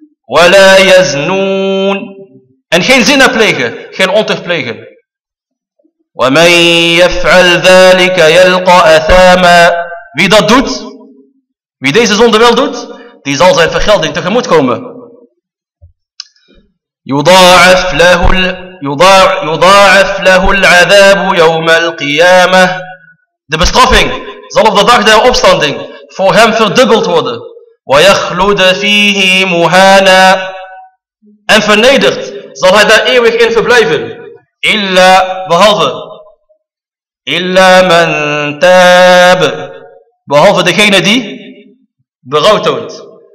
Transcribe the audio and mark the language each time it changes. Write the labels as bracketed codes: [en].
[ar] Wa la yaznoon. [nl] En geen zinnen plegen, geen ontucht plegen. [ar] Wa man yaf'al dhalika yalqa athama. [nl] Wie dat doet, wie deze zonde wel doet, die zal zijn vergelding tegemoet komen. [ar] Yudha'af lahu al يضاعف له العذاب يوم القيامة. [nl] De bestraffing zal op de dag der opstanding voor hem verdubbeld worden. [ar] ويخلد فيه مهانا. [nl] En vernederd zal hij daar eeuwig in verblijven. [ar] إلا [nl] behalve. [ar] إلا من تاب. [nl] Behalve degene die berouw toont.